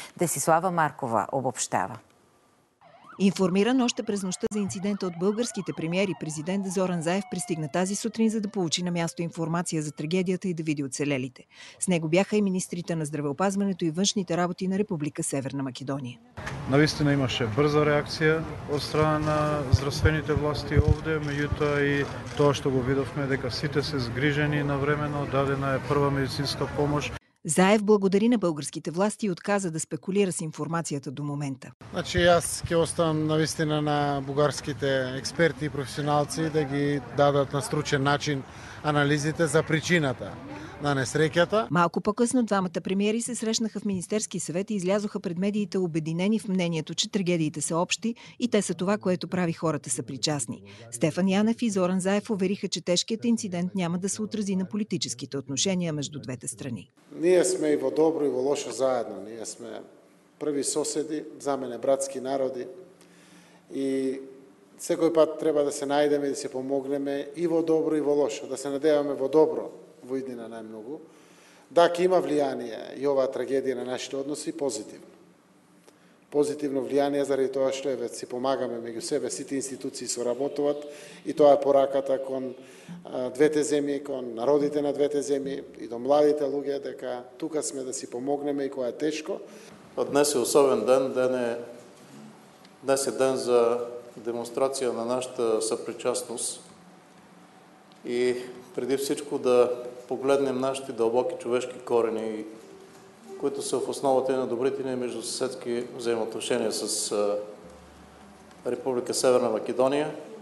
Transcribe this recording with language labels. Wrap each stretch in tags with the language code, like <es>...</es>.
<bg>Десислава Маркова обобщава. Информиран още през нощта за инцидента от българските премиери, президент Зоран Заев пристигна тази сутрин, за да получи на място информация за трагедията и да види оцелелите. С него бяха и министрите на здравеопазването и външните работи на Република Северна Македония.</bg> <mk>Наистина имаше бърза реакция от страна на здравствените власти овде, меѓутоа и тоа што го видовме дека сите се сгрижени навремено, дадена е прва медицинска помош.</mk> <bg>Заев благодари на българските власти и отказа да спекулира с информацията до момента.</bg> <mk>Значи аз ќе оставам наистина на бугарските експерти и професионалци да ги дадат на стручен начин анализите за причината на несреќата.</mk> <bg>Малко по-късно двамата премиери се срещнаха в Министерски съвет и излязоха пред медиите обединени в мнението, че трагедиите са общи и те са това, което прави хората съпричастни. Стефан Янев и Зоран Заев увериха, че тежкият инцидент няма да се отрази на политическите отношения между двете страни.</bg> <mk>Ние сме и во добро и во лошо заедно. Ние сме први соседи, за мене братски народи и секој пат треба да се најдеме и да се помогнеме и во добро и во лошо, да се надеваме во добро. Во иднина најмногу. Дака има влијание и оваа трагедија на нашите односи, позитивно. Позитивно влијание заради тоа што еве си помагаме меѓу себе, сите институции соработуваат и тоа е пораката кон двете земји, кон народите на двете земји и до младите луѓе дека тука сме да си помогнеме и кога е тешко.</mk> <bg>Днес е особен ден, днес е ден за демонстрација на нашата съпричастност и преди всичко да погледнем нашите дълбоки човешки корени, които са в основата и на добрите ни междусъседски взаимоотношения с Република Северна Македония.</bg>